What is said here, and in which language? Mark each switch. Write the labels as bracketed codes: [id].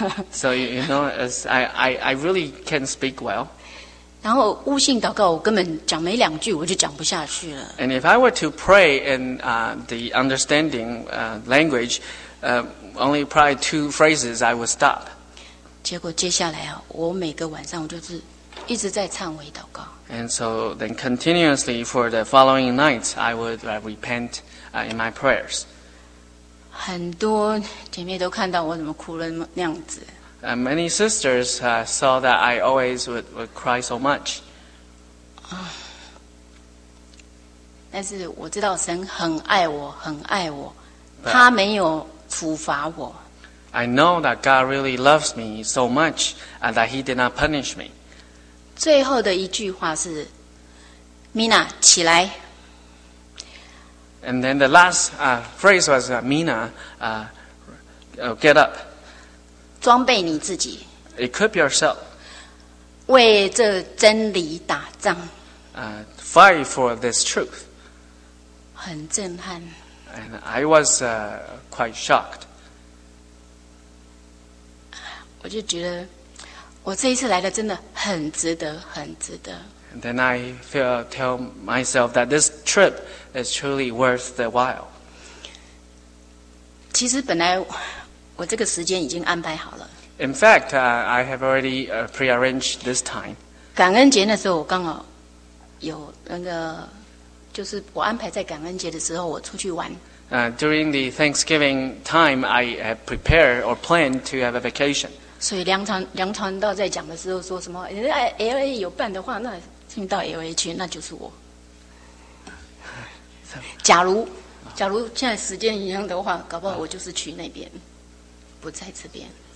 [en] So you know, as I really can't speak well. [zh] 然后悟性祷告，我根本讲没两句，我就讲不下去了。 [en] And if I were to pray in the understanding language, only probably two phrases, I would stop. [zh] 结果接下来我每个晚上我就是一直在忏悔祷告。 [en] And so then continuously for the following nights, I would repent in my prayers. [zh] 很多姐妹都看到我怎么哭了那样子。 [en] Many sisters saw that I always would cry so much. [zh] 但是我知道神很爱我，很爱我，他没有处罚我。 [en] I know that God really loves me so much, and that He did not punish me. [zh] 最后的一句话是 ，Mina, 起来。 [en] And then the last phrase was Mina, get up. [zh] 装备你自己。 [en] Equip yourself. [zh] 为这真理打仗。 [en] Fight for this truth. [zh] 很震撼。 [en] And I was quite shocked. [zh] 我就觉得我这一次来的真的很值得，很值得。 [en] And then I tell myself that this trip is truly worth the while. [zh] 其实本来我这个时间已经安排好了。 [en] In fact, I have already prearranged this time. [zh] 感恩节的时候，我刚好有那个，就是我安排在感恩节的时候，我出去玩。 [en] During the Thanksgiving time, I had prepared or planned to have a vacation. [zh] 所以梁传道在讲的时候说什么？哎 ，LA 有办的话，那请到 LA 去，那就是我。假如现在时间一样的话，搞不好我就是去那边，不在这边。